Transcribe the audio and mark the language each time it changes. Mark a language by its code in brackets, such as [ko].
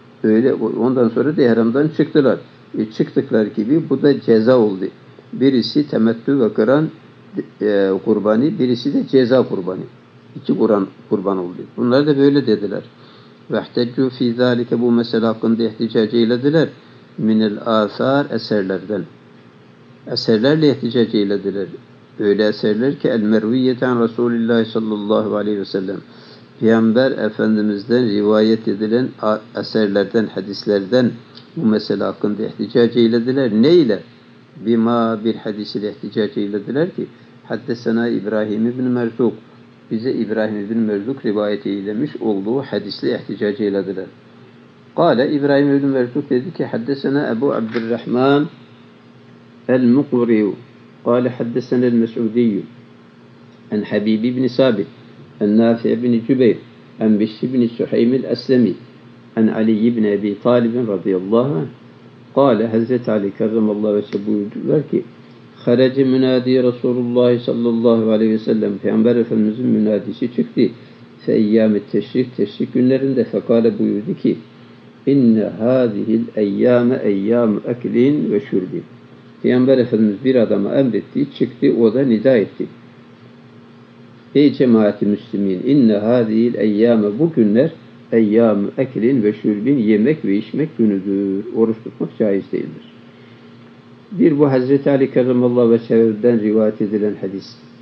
[tr] Öyle ondan sonra da ihramdan çıktılar. Çıktıkları gibi bu da ceza oldu. Birisi temettü ve kıran kurbanı, birisi de ceza kurbanı. İki kurban oldu. Bunlar da böyle dediler. [ar] وَحْتَجُّ فِي ذَٰلِكَ [tr] bu mesele hakkında ihticac eylediler. [ar] مِنَ الْآثَارِ [tr] eserlerden. Eserlerle ihticac eylediler. Öyle eserler ki el-merviyyeten Resulullah sallallahu aleyhi ve sellem Peygamber Efendimiz'den rivayet edilen eserlerden, hadislerden bu mesele hakkında ihticac eylediler. Ne ile? Bima bir hadis ile ihticac eylediler ki haddesena İbrahim ibn Merzuk bize İbrahim ibn Merzuk rivayet eylemiş olduğu hadisle ihticac eylediler. Kale İbrahim ibn Merzuk dedi ki haddesena Ebu Abdurrahman el-Mukriyu [ar] قال حدثنا المسعودي عن حبيب بن ثابت عن نافع بن جبير عن بشر بن سحيم الأسلمي عن علي بن أبي طالب رضي الله عنه قال حضرت علي كرم الله وجهه [tr] buyurdular ki [ar] خرج منادي رسول الله صلى الله عليه وسلم [tr] Peygamber Efendimizin münadisi çıktı [ar] فأيام التشريك [tr] teşrik günlerinde [ar] فقال [tr] buyurdu ki [ar] إن هذه الأيام أيام أكل وشرب [tr] Peygamber Efendimiz bir adama emretti, çıktı, o da nida etti. Ey cemaati Müslümin, inne hâzîl eyyâme bu günler eyyâme eklin ve şürbin yemek ve içmek günüdür. Oruç tutmak caiz değildir. Bir bu Hazreti Ali Kerimallah ve Şerif'den rivayet edilen hadis.